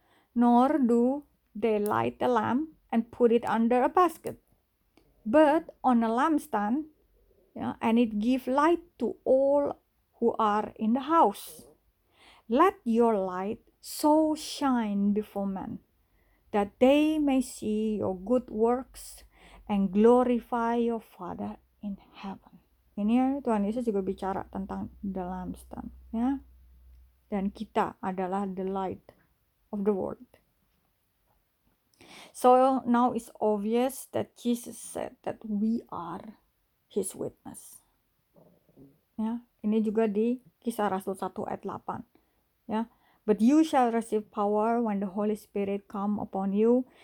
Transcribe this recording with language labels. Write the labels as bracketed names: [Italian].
[English] Nor do they light a lamp and put it under a basket, but on a lampstand, yeah, and it gives light to all who are in the house. Let your light so shine before men, that they may see your good works and glorify your Father in heaven. [Indonesian] Ini ya, Tuhan Yesus juga bicara tentang the lampstand ya. Dan kita adalah the light of the world. [English] So now it's obvious that Jesus said that we are his witness. [Indonesian] Ya, ini juga di Kisah Rasul 1 ayat 8. Ya. [English] But you shall receive power when the Holy Spirit come upon you.